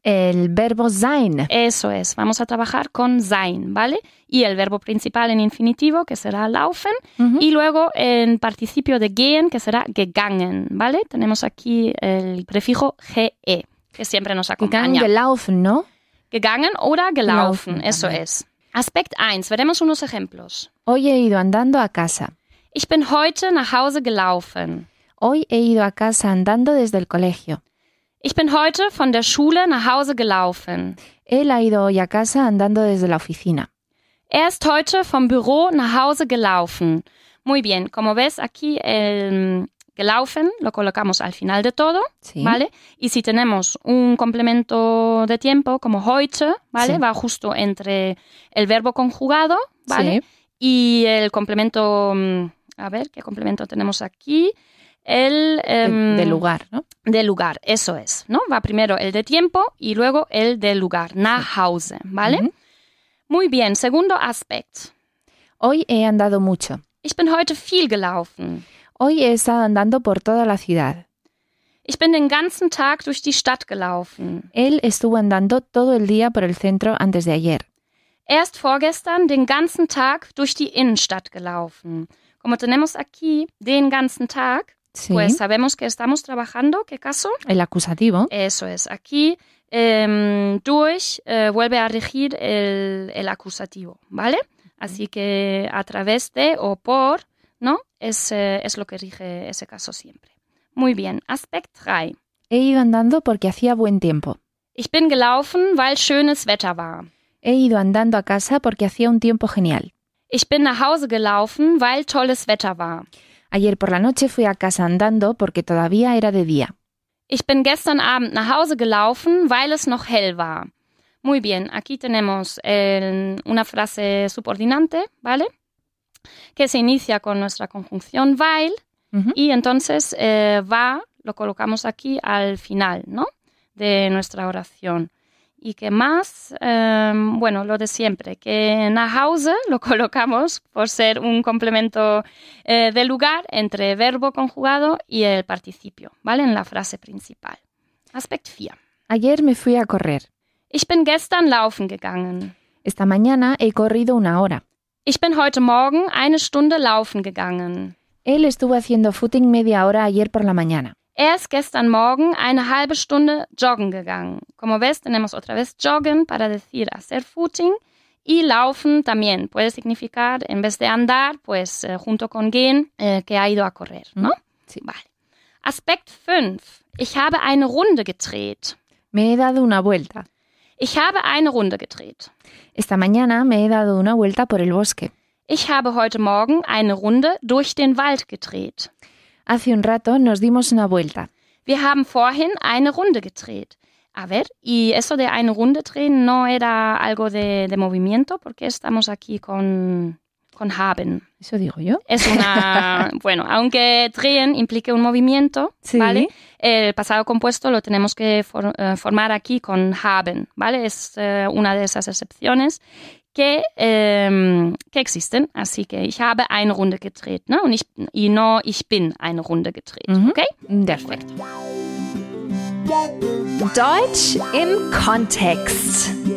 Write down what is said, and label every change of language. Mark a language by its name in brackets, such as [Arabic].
[Spanish] El verbo sein. Eso es. Vamos a trabajar con sein, ¿vale? Y el verbo principal en infinitivo, que será laufen. Uh-huh. Y luego en participio de gehen, que será gegangen, ¿vale? Tenemos aquí el prefijo ge, que siempre nos acompaña. Gelaufen, ¿no? [German] Gegangen oder gelaufen, [Spanish] eso es. Aspekt 1, veremos unos ejemplos. Hoy he ido andando a casa. [German] Ich bin heute nach Hause gelaufen. [Spanish] Hoy he ido a casa andando desde el colegio. [German] Ich bin heute von der Schule nach Hause gelaufen. [Spanish] Él ha ido hoy a casa andando desde la oficina. [German] Er ist heute vom Büro nach Hause gelaufen. [Spanish] Muy bien, como ves aquí el gelaufen lo colocamos al final de todo, sí. ¿Vale? Y si tenemos un complemento de tiempo como heute, ¿vale? Sí. Va justo entre el verbo conjugado, ¿vale? Sí. Y el complemento, a ver, ¿qué complemento tenemos aquí? El de lugar, ¿no? De lugar, eso es, ¿no? Va primero el de tiempo y luego el de lugar, nach Hause, ¿vale? Uh-huh. Muy bien, segundo aspecto. Hoy he andado mucho. [German] Ich bin heute viel gelaufen. [Spanish] Hoy he estado andando por toda la ciudad. [German] Ich bin den ganzen Tag durch die Stadt gelaufen. [Spanish] Él estuvo andando todo el día por el centro antes de ayer. [German] Er ist vorgestern den ganzen Tag durch die Innenstadt gelaufen. [Spanish] Como tenemos aquí den ganzen Tag, sí. Pues sabemos que estamos trabajando, ¿qué caso? El acusativo. Eso es, aquí durch vuelve a regir el acusativo, ¿vale? Así que a través de o por, ¿no? Es lo que rige ese caso siempre. Muy bien. Aspekt 3. He ido andando porque hacía buen tiempo. [German] Ich bin gelaufen, weil schönes Wetter war. [Spanish] He ido andando a casa porque hacía un tiempo genial. [German] Ich bin nach Hause gelaufen, weil tolles Wetter war. [Spanish] Ayer por la noche fui a casa andando porque todavía era de día. [German] Ich bin gestern Abend nach Hause gelaufen, weil es noch hell war. [Spanish] Muy bien. Aquí tenemos una frase subordinante, ¿vale? Que se inicia con nuestra conjunción weil, uh-huh. Y entonces va, lo colocamos aquí al final, ¿no? De nuestra oración. Y que más, bueno, lo de siempre, que nach Hause lo colocamos por ser un complemento de lugar entre verbo conjugado y el participio, ¿vale? En la frase principal. Aspect 4. Ayer me fui a correr. [German] Ich bin gestern laufen gegangen. [Spanish] Esta mañana he corrido una hora. [German] Ich bin heute Morgen eine Stunde laufen gegangen. [Spanish] Él estuvo haciendo footing media hora ayer por la mañana. [German] Er ist gestern Morgen eine halbe Stunde joggen gegangen. [Spanish] Como ves, tenemos otra vez joggen para decir hacer footing. Y laufen también puede significar, en vez de andar, pues junto con gehen, que ha ido a correr, ¿no? Sí. Vale. Aspekt 5. [German] Ich habe eine Runde gedreht. [Spanish] Me he dado una vuelta. [German] Ich habe eine Runde gedreht. [Spanish] Esta mañana me he dado una vuelta por el bosque. [German] Ich habe heute Morgen eine Runde durch den Wald gedreht. [Spanish] Hace un rato nos dimos una vuelta. [German] Wir haben vorhin eine Runde gedreht. [Spanish] A ver, y eso de eine Runde drehen no era algo de movimiento, porque estamos aquí con haben. Eso digo yo. Es una, bueno, aunque drehen implique un movimiento, sí. ¿Vale? El pasado compuesto lo tenemos que formar aquí con haben, ¿vale? Es una de esas excepciones que existen. Así que [German] ich habe eine Runde gedreht, ¿no? Und [Spanish] y no [German] ich bin eine Runde gedreht, uh-huh. ¿Ok? [Spanish] Perfecto. [German] Deutsch im Kontext.